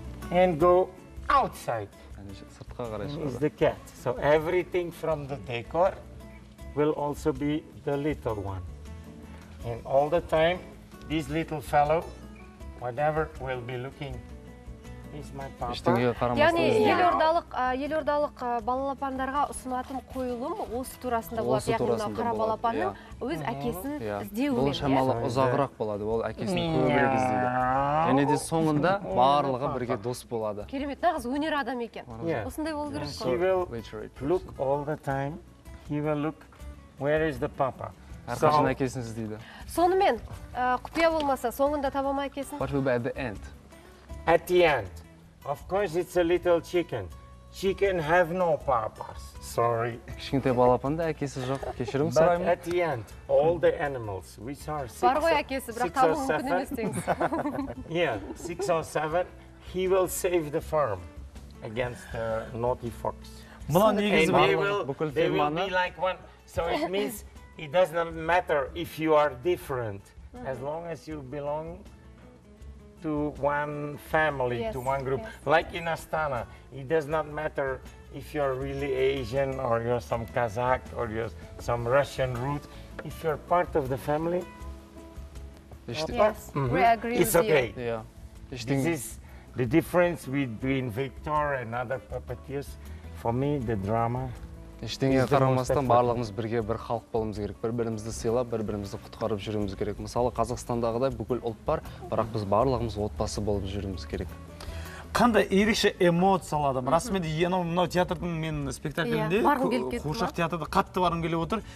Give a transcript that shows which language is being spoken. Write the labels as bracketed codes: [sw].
[en] And go outside. Is the cat. So everything from the decor will also be the little one. And all the time, this little fellow, whatever will be looking, is my papa. [kk] Яғни елордалық балапандарға ұсынатын қойылым осы турасында болады. Яғни мына қара балапанның өз әкесін іздеуі. Бұл шамалы ұзағырақ болады. Ол әкесін көбірек іздейді. Және де соңында барлығы бірге дос болады. Керемет, нағыз өнер адам екен. Осындай болу керек қой. [en] He will look all the time. He will look where is the papa. [kk] Әрқашан әкесін іздейді. Сонымен құпия болмаса, соңында таба ма әкесін? [en] What will be at the end? At the end, of course, it's a little chicken. Chicken have no papas. Sorry. [kk] Кішкентай балапанда әкесі жоқ. Кешірім сұраймын. [en] But at the end, all the animals, which are six or seven, yeah, six or seven, he will save the farm against the naughty fox. [kk] Мұнан негізі [en] бар. They will be like one. So it means it doesn't matter if you are different, as long as you belong to one family, yes, to one group. Yes. Like in Astana, it does not matter if you're really Asian or you're some Kazakh or you're some Russian root. If you're part of the family, yes, we agree it's with okay. You. Yeah. This is the difference between Victor and other puppeteers. For me, the drama. [kk] Ештеңеге қарамастан барлығымыз бірге бір халық болуымыз керек, бір бірімізді сыйлап, бір бірімізді құтқарып жүруіміз керек. Мысалы, Қазақстандағыдай бүкіл ұлт бар, бірақ біз барлығымыз отбасы болып жүруіміз керек. Қандай ерекше эмоция алдым. Расымен де мынау театрдың мен спектаклімде қуыршақ театрда қатты барым келіп отыр.